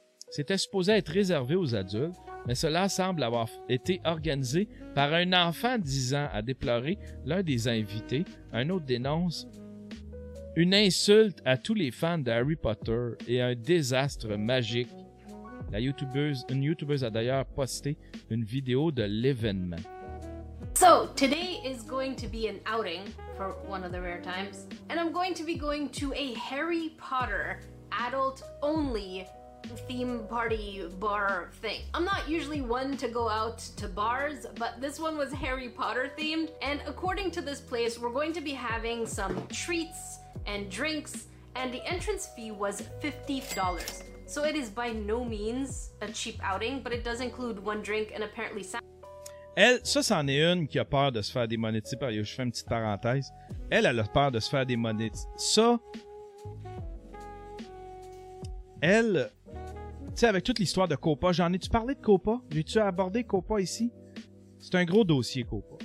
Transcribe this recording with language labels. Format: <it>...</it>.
<fr>C'était supposé être réservé aux adultes, mais cela semble avoir été organisé par un enfant de 10 ans, a déploré l'un des invités. Un autre dénonce une insulte à tous les fans de Harry Potter et un désastre magique. Une YouTubeuse a d'ailleurs posté une vidéo de l'événement.</fr> <en>So, today is going to be an outing for one of the rare times, and I'm going to be going to a Harry Potter adult only theme party bar thing. I'm not usually one to go out to bars, but this one was Harry Potter themed, and according to this place, we're going to be having some treats and drinks, and the entrance fee was $50. So it is by no means a cheap outing, but it does include one drink and apparently</en> <fr>Elle, ça, c'en est une qui a peur de se faire démonétiser. Par exemple, je fais une petite parenthèse. Elle a peur de se faire démonétiser. Ça, elle, tu sais, avec toute l'histoire de Copa, j'en ai-tu parlé de Copa? J'ai-tu abordé Copa ici? C'est un gros dossier, Copa.</fr>